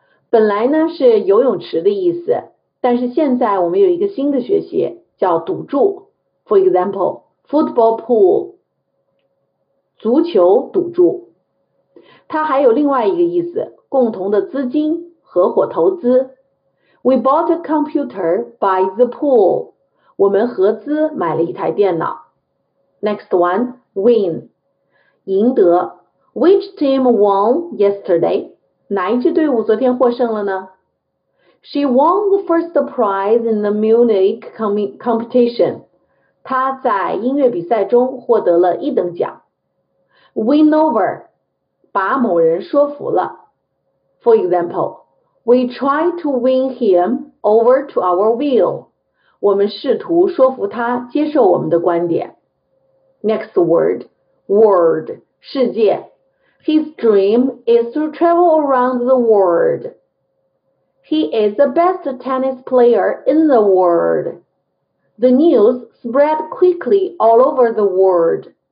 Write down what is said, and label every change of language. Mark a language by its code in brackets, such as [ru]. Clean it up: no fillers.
[zh] 本来呢是游泳池的意思，但是现在我们有一个新的学习叫赌注。 [en] For example, football pool, [zh] 足球赌注。它还有另外一个意思，共同的资金。合伙投资 [en] We bought a computer by the pool. [zh] 我们合资买了一台电脑 [en] Next one, win. [zh] 赢得 [en] Which team won yesterday? [zh] 哪一支队伍昨天获胜了呢 [en] She won the first prize in the Munich competition. [zh] 她在音乐比赛中获得了一等奖 [en] Win over. [zh] 把某人说服了 [en] For example,We try to win him over to our will. [zh] 我们试图说服他接受我们的观点。 [en] Next word, world, [zh] 世界。 [en] His dream is to travel around the world. He is the best tennis player in the world. The news spread quickly all over the world.